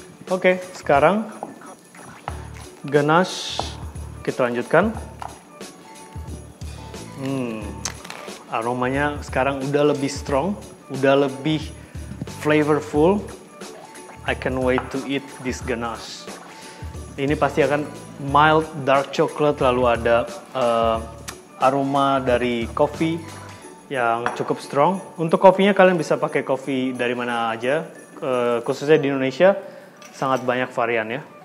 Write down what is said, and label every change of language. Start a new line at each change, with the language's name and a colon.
Indonesian: Oke, sekarang ganache kita lanjutkan. Aromanya sekarang udah lebih strong, udah lebih flavorful.
English: I can't wait to eat this ganache.
Indonesian: Ini pasti akan mild dark chocolate, lalu ada aroma dari kopi yang cukup strong. Untuk kopinya kalian bisa pakai kopi dari mana aja, khususnya di Indonesia sangat banyak varian ya.